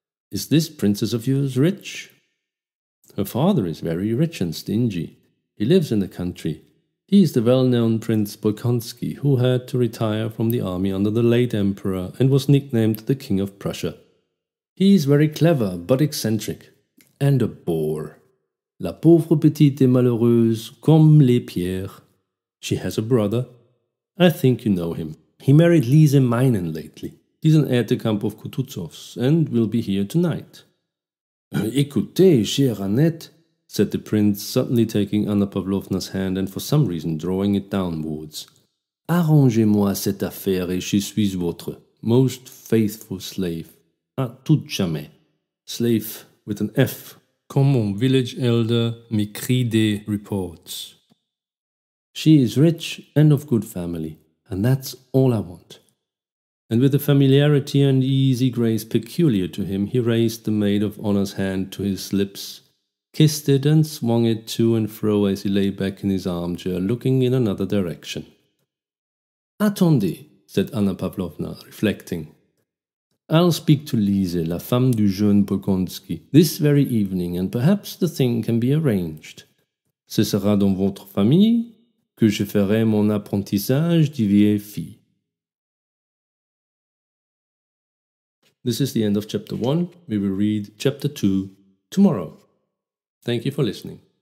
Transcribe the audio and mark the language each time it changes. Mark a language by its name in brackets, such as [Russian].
[English] Is this princess of yours rich? Her father is very rich and stingy. He lives in the country. He is the well-known Prince Bolkonski, who had to retire from the army under the late emperor and was nicknamed the King of Prussia. He is very clever, but eccentric. And a bore. [French] La pauvre petite est malheureuse comme les pierres. [English] She has a brother. I think you know him. He married Lise Meinen lately. He's an aide-de-camp of Kutuzov's and will be here tonight. [French] Écoutez, chère Annette, [English] said the prince, suddenly taking Anna Pavlovna's hand and for some reason drawing it downwards. [French] Arrangez-moi cette affaire et je suis votre [English] most faithful slave. [French] À tout jamais. [English] Slave with an F. [French] Comme mon [English] village elder [French] m'écrit des [English] reports. She is rich and of good family, and that's all I want. And with the familiarity and easy grace peculiar to him, he raised the maid of honor's hand to his lips, kissed it and swung it to and fro as he lay back in his armchair, looking in another direction. [French] Attendez, [English] said Anna Pavlovna, reflecting. I'll speak to Lise, [French] la femme du jeune Bolkonski, [English] this very evening, and perhaps the thing can be arranged. [French] Ce sera dans votre famille que je ferai mon apprentissage de vieille fille. [English] This is the end of chapter 1. We will read chapter 2 tomorrow. Thank you for listening.